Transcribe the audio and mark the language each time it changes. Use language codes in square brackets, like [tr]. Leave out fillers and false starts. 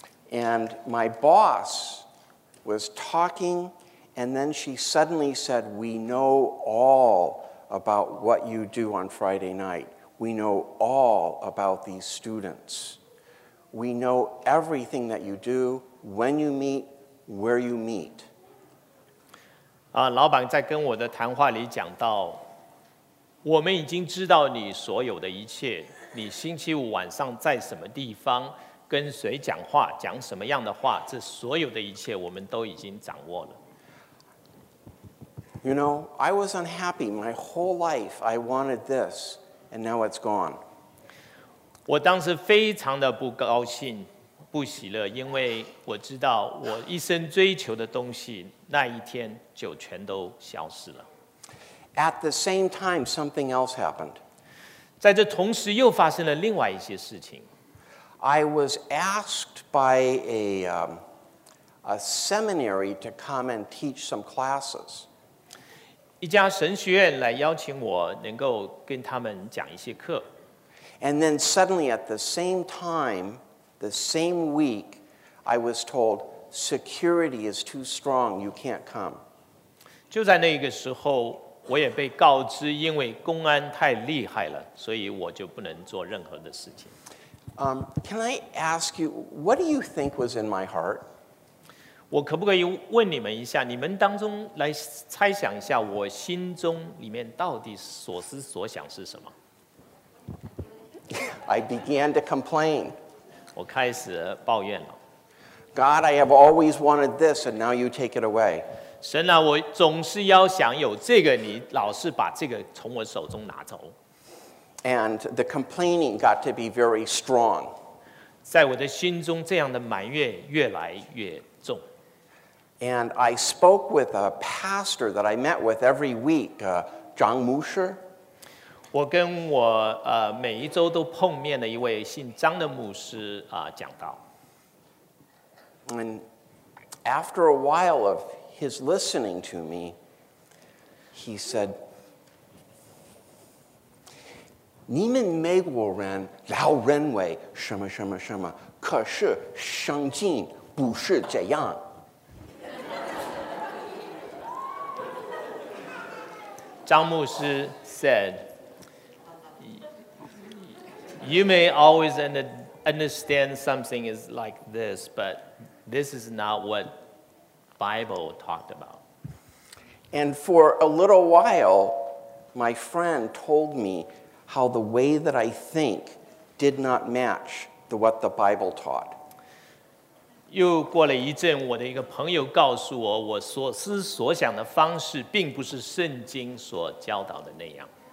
[en] And my boss was talking, and then she suddenly said, "We know all about what you do on Friday night. We know all about these students. We know everything that you do, when you meet, where you meet." [zh] 老板在跟我的谈话里讲到，我们已经知道你所有的一切，你星期五晚上在什么地方，跟谁讲话，讲什么样的话，这所有的一切我们都已经掌握了。 [en] You know, I was unhappy my whole life. I wanted this, and now it's gone. [zh] 我当时非常的不高兴，不喜乐，因为我知道我一生追求的东西，那一天就全都消失了。 [en] At the same time, something else happened. [zh] 在这同时又发生了另外一些事情。 [en] I was asked by a seminary to come and teach some classes. [zh] 一家神学院来邀请我能够跟他们讲一些课。 [en] And then suddenly at the same time, the same week, I was told, "Security is too strong, you can't come." [zh] 就在那个时候，我也被告知，因为公安太厉害了，所以我就不能做任何的事情。 [en] Can I ask you, what do you think was in my heart? [zh] 我可不可以问你们一下，你们当中来猜想一下，我心中里面到底所思所想是什么？ [en] I began to complain. [zh] 我开始抱怨了。 [en] God, I have always wanted this, and now you take it away. [zh] 神啊，我总是要想有这个，你老是把这个从我手中拿走。 [en] And the complaining got to be very strong. [zh] 在我的心中，这样的埋怨越来越重。 [en] And I spoke with a pastor that I met with every week, John Musher. [zh] 我跟我每一周都碰面的一位姓张的牧师讲道。 [en] And after a while of his listening to me, he said, [zh] "你们美国人老认为什么什么什么，可是圣经不是这样。 [en] 张牧师 said, "You may always understand something is like this, but this is not what Bible talked about." And for a little while, my friend told me how the way that I think did not match the what the Bible taught. [zh] 又过了一阵，我的一个朋友告诉我，我所思所想的方式并不是圣经所教导的那样。